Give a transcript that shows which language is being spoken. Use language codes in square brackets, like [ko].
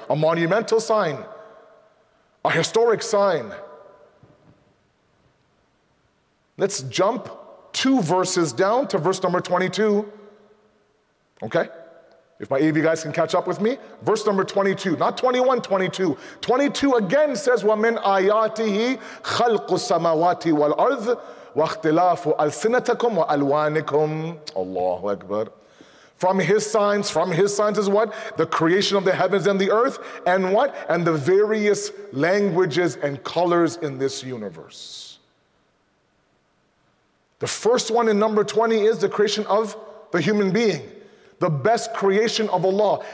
[en] A monumental sign, a historic sign. Let's jump two verses down to verse number 22. Okay? If my AV guys can catch up with me. Verse number 22, not 21, 22. 22 again says, [ar] وَمِنْ آيَاتِهِ خَلْقُ السَّمَوَاتِ وَالْأَرْضِ وَاخْتِلَافُ أَلْسِنَتَكُمْ وَأَلْوَانِكُمْ. [en] Allahu Akbar. From his signs is what? The creation of the heavens and the earth, and what? And the various languages and colors in this universe. The first one in number 20 is the creation of the human being, the best creation of Allah.